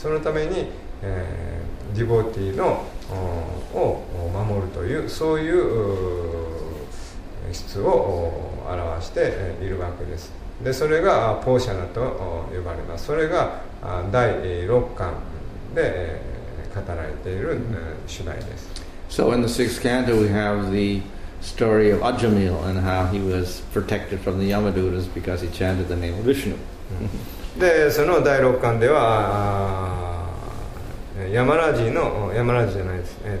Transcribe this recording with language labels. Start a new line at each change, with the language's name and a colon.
Japanese: そのために、ディボーティーのを守るというそういう質を表しているわけです。で、それがポーシャナと呼ばれます。それが第6巻で語られている主題です。
English: So in the sixth canto we have theStory of Ajamil and how he was protected from the Yamadutas because he chanted the name of Vishnu.
Japanese: で、その第六巻では、ヤマラジの、ヤマラジじゃないです。